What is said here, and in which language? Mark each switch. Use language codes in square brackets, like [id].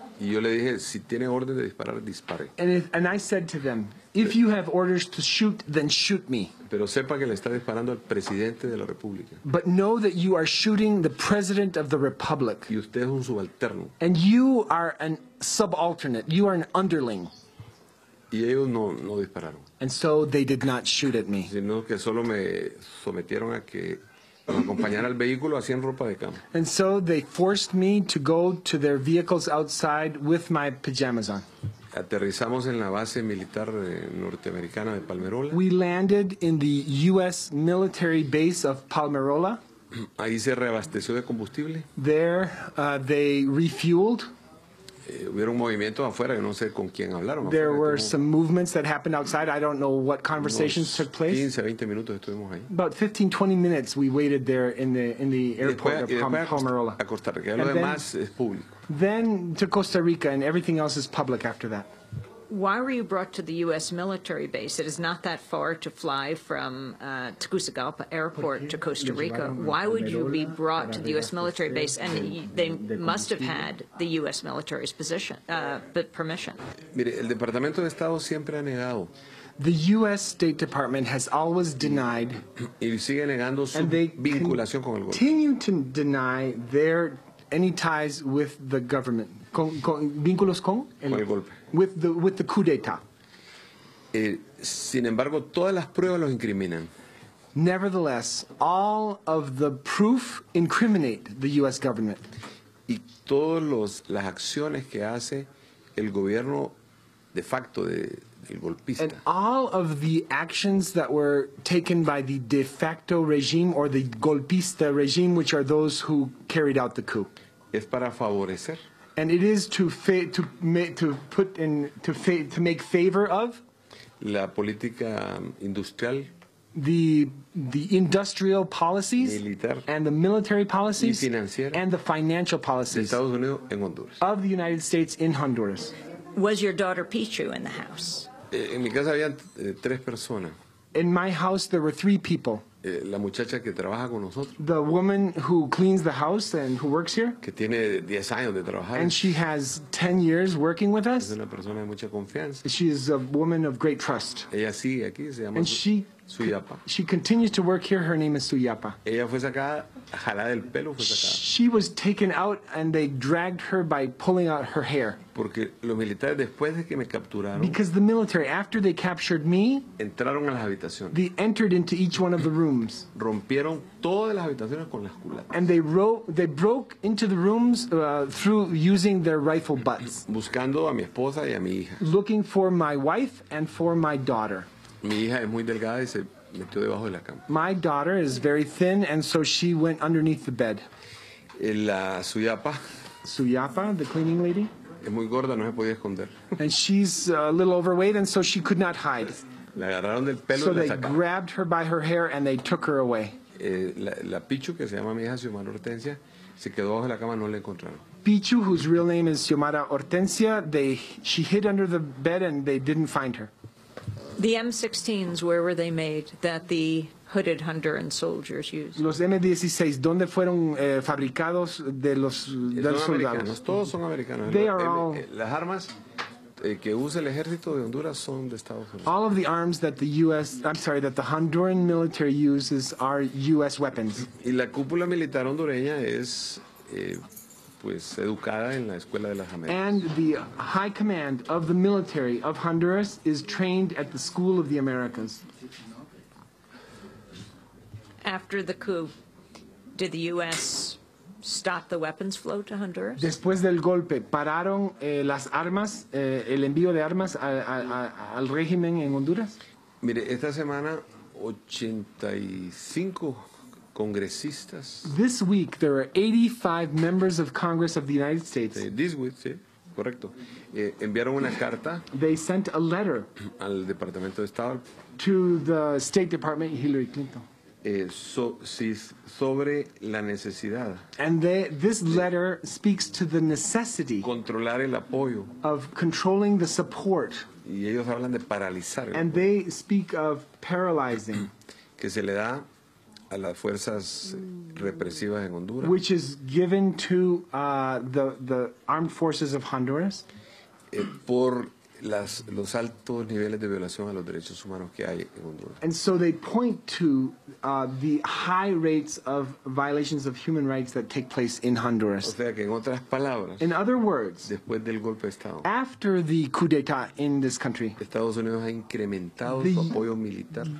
[es] Y yo le dije, si tiene orden de disparar, dispare. [en] And I said to them, if you have orders to shoot, then shoot me. [es] Pero sepa que le está disparando al presidente de la República. [en] But know that you are shooting the president of the republic. [es] Y usted es un subalterno. [en] And you are an subalternate. You are an underling. [es] Y ellos no dispararon. [en] And so they did not shoot at me. [es] Sino que solo me sometieron a que acompañar al vehículo así en ropa de cama. [en] And so they forced me to go to their vehicles outside with my pajamas on. [es] Aterrizamos en la base militar norteamericana de Palmerola. [en] We landed in the U.S. military base of Palmerola. [es] Ahí se reabasteció de combustible. [en] There they refueled. [es] Hubieron movimientos afuera, yo no sé con quién hablaron. [en] There were some movements that happened outside. I don't know what conversations took place. [es] 15, 20 minutos estuvimos ahí. [en] About 15, 20 minutes we waited there in the airport of Palmerola. [es] A Costa Rica. Lo demás es público. [en] Then to Costa Rica, and everything else is public after that. Why were you brought to the U.S. military base? It is not that far to fly from Tegucigalpa Airport to Costa Rica. Why would you be brought to the U.S. military base? And they must have had the U.S. military's position, permission. [es] Mire, el Departamento de Estado siempre ha negado. [en] The U.S. State Department has always denied. [es] Y sigue negando su vinculación con el gobierno. [en] Continue to deny their any ties with the government. [es] Vínculos con el golpe. [en] With the coup d'etat. [es] Sin embargo, todas las pruebas los incriminan. [en] Nevertheless, all of the proof incriminate the U.S. government. [es] Y todas las acciones que hace el gobierno de facto del golpista. [en] And all of the actions that were taken by the de facto regime or the golpista regime, which are those who carried out the coup. [es] Es para favorecer. [en] And it is to make favor of [es] la política industrial, [en] the industrial policies [es] militar, [en] and the military policies [es] y financiera, [en] and the financial policies [es] de Estados Unidos en Honduras. [en] Of the United States in Honduras. Was your daughter Pichu in the house? [es] En mi casa habían tres personas. [en] In my house there were three people. [es] La muchacha que trabaja con nosotros. [en] The woman who cleans the house and who works here. [es] Que tiene 10 años de trabajar. [en] And she has 10 years working with us. [es] Es una persona de mucha confianza. [en] She is a woman of great trust. [es] Ella sigue aquí, se llama Suyapa. [en] She continues to work here. Her name is Suyapa. [es] Ella fue sacada, jalada el pelo, fue sacada. [en] She was taken out and they dragged her by pulling out her hair. [es] Porque los militares después de que me capturaron. [en] Because the military, after they captured me. [es] Entraron a las habitaciones. [en] They entered into each one of the rooms. [es] Rompieron todas las habitaciones con las culatas. [en] And they broke into the rooms through using their rifle butts. [es] Buscando a mi esposa y a mi hija. [en] Looking for my wife and for my daughter. [es] Mi hija es muy delgada y se metió debajo de la cama. [en] My daughter is very thin and so she went underneath the bed. [es] La Suyapa. [en] Suyapa, the cleaning lady. [es] Es muy gorda, no se podía esconder. [en] And she's a little overweight and so she could not hide. [es] La agarraron del pelo [en] so [es] y la [en] they [es] sacaron. [en] Grabbed her by her hair and they took her away. [es] La Pichu, que se llama mi hija, Xiomara Hortensia, se quedó debajo de la cama, no la encontraron. [en] Pichu, whose real name is Xiomara Hortensia, she hid under the bed and they didn't find her. The M16s, where were they made that the hooded Honduran soldiers used? [es] Los M16, ¿dónde fueron fabricados de los soldados? Americanos. Todos son americanos. [en] They are all. [es] Las armas, que usa el ejército de Honduras son de Estados Unidos. [en] All of the arms that the U.S., I'm sorry, that the Honduran military uses are U.S. weapons. [es] Y la cúpula militar hondureña es, pues, educada en la Escuela de las Américas. [en] And the high command of the military of Honduras is trained at the School of the Americas. After the coup, did the U.S. stop the weapons flow to Honduras? [es] Después del golpe, pararon las armas, el envío de armas al régimen en Honduras. Mire, esta semana, 85 congresistas. [en] This week, there are 85 members of Congress of the United States. This week, [es] sí, correcto. Enviaron una carta. [en] They sent a letter [es] al Departamento de Estado. [en] To the State Department, Hillary Clinton. [es] Sobre la necesidad. [en] And this letter speaks to the necessity [es] controlar el apoyo. [en] Of controlling the support. [es] Y ellos hablan de paralizar el [en] and [es] apoyo. [en] They speak of paralyzing. [es] Que se le da a las fuerzas represivas en Honduras. [en] Which is given to the armed forces of Honduras. [es] Por los altos niveles de violación a los derechos humanos que hay en Honduras. [en] And so they point to the high rates of violations of human rights that take place in Honduras. [es] O sea, que en otras palabras, [en] in other words, [es] después del golpe de Estado, [en] after the coup d'etat in this country, [es] Estados Unidos ha incrementado su apoyo militar.